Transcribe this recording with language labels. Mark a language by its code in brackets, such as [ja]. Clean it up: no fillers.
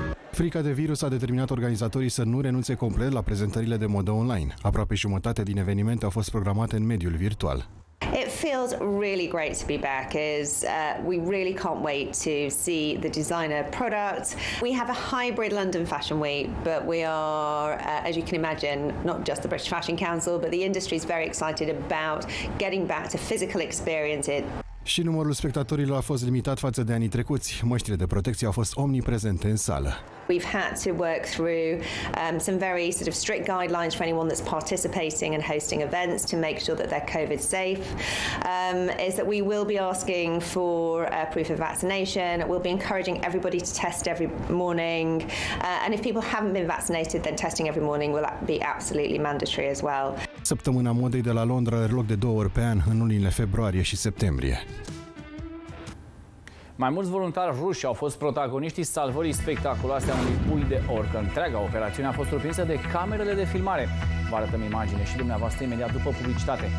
[ro] Frica de virus a determinat organizatorii să nu renunțe complet la prezentările de modă online. Aproape jumătate din evenimente au fost programate în mediul virtual. [en] It feels really great to be back as we really can't wait to see the designer products. We have a hybrid London Fashion Week, but we are, as you can imagine, not just the British Fashion Council, but the industry is very excited about getting back to physical experiences. [ro] Și numărul spectatorilor a fost limitat față de anii trecuți. Măștile de protecție au fost omniprezente în sală. [en] We've had to work through some very sort of strict guidelines for anyone that's participating and hosting events to make sure that they're COVID safe. Is that we will be asking for a proof of vaccination. We'll be encouraging everybody to test every morning. And if people haven't been vaccinated, then testing every morning will be absolutely mandatory as well. [ro] Săptămâna modei de la Londra are loc de două ori pe an, în lunile februarie și septembrie. Mai mulți voluntari ruși au fost protagoniștii salvării spectaculoase a unui pui de orcă. Întreaga operațiune a fost surprinsă de camerele de filmare. Vă arătăm imagine și dumneavoastră imediat după publicitate.